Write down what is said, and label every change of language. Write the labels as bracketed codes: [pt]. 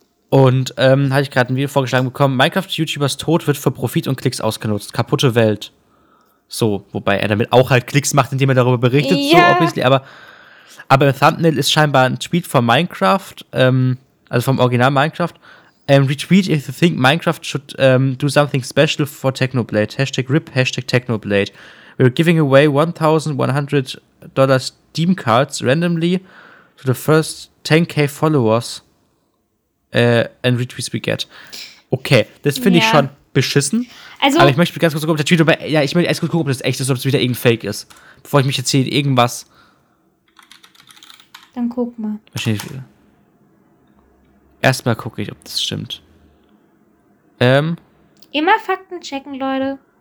[de] Und hatte ich gerade ein Video vorgeschlagen bekommen. Minecraft-YouTubers Tod wird für Profit und Klicks ausgenutzt. Kaputte Welt. So, wobei er damit auch halt Klicks macht, indem er darüber berichtet. Ja. [en] So, obviously. [de] Aber im Thumbnail ist scheinbar ein Tweet von Minecraft, also vom Original Minecraft. [en] Retweet if you think Minecraft should do something special for Technoblade. Hashtag RIP, hashtag Technoblade. We're giving away $1,100 Steam cards randomly to the first 10,000 followers and retweets we get. [de] Okay, das finde ich schon beschissen. Also, aber ich möchte ganz kurz gucken, ob der Tweet, ich möchte erst kurz gucken, ob das echt ist, ob es wieder irgendein Fake ist. Bevor ich mich jetzt hier irgendwas. Dann guck mal. Wahrscheinlich wieder. Erstmal gucke ich, ob das stimmt. Immer Fakten checken, Leute.